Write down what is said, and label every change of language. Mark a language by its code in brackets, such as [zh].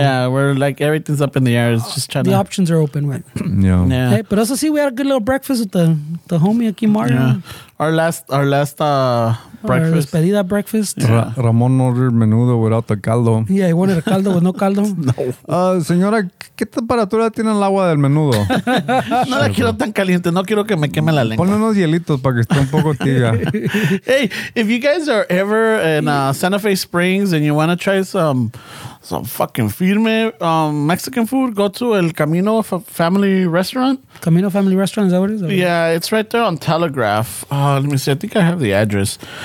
[en] Yeah, we're like, everything's up in the air. It's just trying the options are open, right? Yeah. Hey, but also see, we had a good little breakfast with the homie, Aki Martin. Yeah. Our last breakfast. Our [es] despedida [en] breakfast. Yeah. Ramon ordered menudo without the caldo. Yeah, he wanted a caldo with no caldo. No. [es] Señora, ¿qué temperatura tiene el agua del menudo? No la quiero tan caliente. No quiero que me queme la lengua. Pon unos hielitos para que esté un poco tibia. [en] Hey, if you guys are ever in Santa Fe Springs and you want to try some fucking firme Mexican food, go to El Camino Family Restaurant. Camino Family Restaurant, is that what it is? Yeah, it's right there on Telegraph. Let me see. I think I have the address.